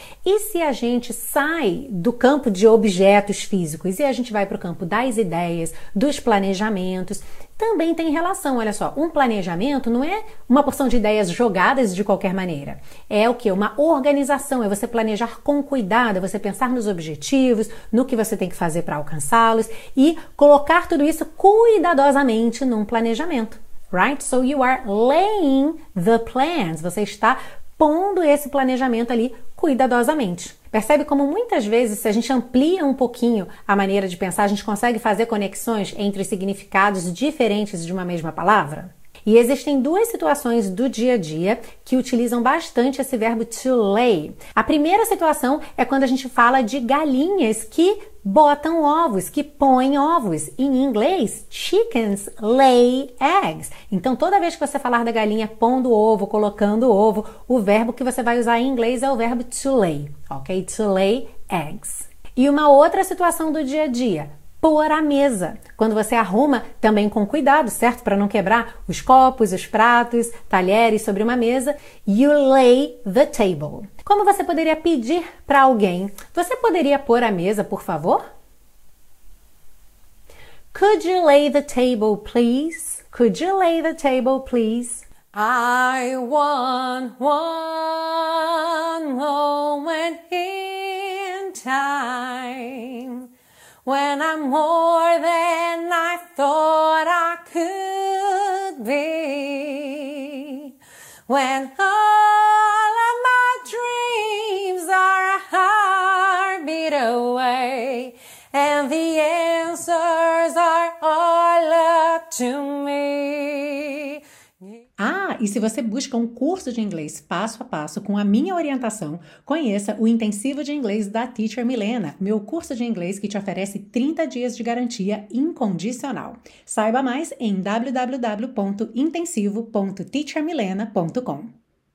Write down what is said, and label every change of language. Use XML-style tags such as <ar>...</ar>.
<pt>E se a gente sai do campo de objetos físicos e a gente vai para o campo das ideias, dos planejamentos, também tem relação, olha só, um planejamento não é uma porção de ideias jogadas de qualquer maneira. É o quê? Uma organização, é você planejar com cuidado, é você pensar nos objetivos, no que você tem que fazer para alcançá-los e colocar tudo isso cuidadosamente num planejamento.</pt> <en>Right? So you are laying the plans.</en> <pt>Você está pondo esse planejamento ali cuidadosamente. Percebe como muitas vezes, se a gente amplia um pouquinho a maneira de pensar, a gente consegue fazer conexões entre significados diferentes de uma mesma palavra? E existem duas situações do dia a dia que utilizam bastante esse verbo to lay. A primeira situação é quando a gente fala de galinhas que botam ovos, que põem ovos. Em inglês,</pt> <en>chickens lay eggs.</en> <pt>Então, toda vez que você falar da galinha pondo ovo, colocando ovo, o verbo que você vai usar em inglês é o verbo to lay, ok?</pt> <en>To lay eggs.</en> <pt>E uma outra situação do dia a dia, pôr a mesa. Quando você arruma, também com cuidado, certo? Para não quebrar os copos, os pratos, talheres sobre uma mesa.</pt> <en>You lay the table.</en> <pt>Como você poderia pedir para alguém? Você poderia pôr a mesa, por favor?</pt> <en>Could you lay the table, please? Could you lay the table, please? I want one moment in time. When I'm more than I thought I could be. When all of my dreams are a heartbeat away. And the answers are all up to me.</en> <pt>Ah, e se você busca um curso de inglês passo a passo com a minha orientação, conheça o Intensivo de Inglês da Teacher Milena, meu curso de inglês que te oferece 30 dias de garantia incondicional. Saiba mais em www.intensivo.teachermilena.com.</pt>